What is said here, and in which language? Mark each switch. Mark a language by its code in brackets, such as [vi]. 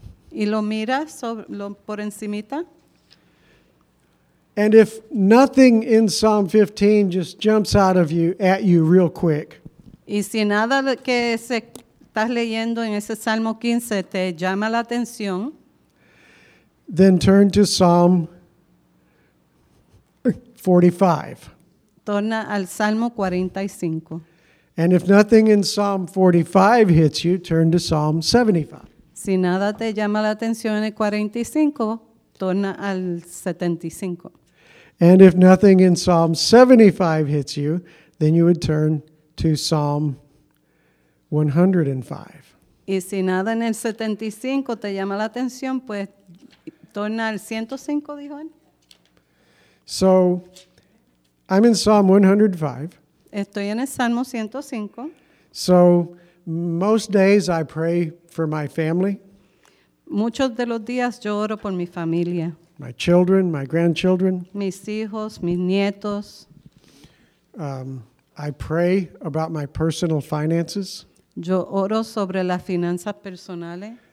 [es] Y lo mira sobre, lo, por encimita. [en] And if nothing in Psalm 15 just jumps out of you at you real quick. [es] Y si nada que se estás leyendo en ese Salmo 15 te llama la atención. [en] Then turn to Psalm 45. [es] Torna al Salmo 45. [en] And if nothing in Psalm 45 hits you, turn to Psalm 75. [es] Si nada te llama la atención en el 45, torna al 75. [en] And if nothing in Psalm 75 hits you, then you would turn to Psalm 105. [es] Y si nada en el 75 te llama la atención, pues torna al 105, dijo él. [en] So, I'm in Psalm 105. [es] Estoy en el Salmo 105. [en] So, most days I pray for my family. [es] Muchos de los días yo oro por mi familia. [en] My children, my grandchildren. [es] Mis hijos, mis nietos. [en] I pray about my personal finances. [es] Yo oro sobre las finanzas personales.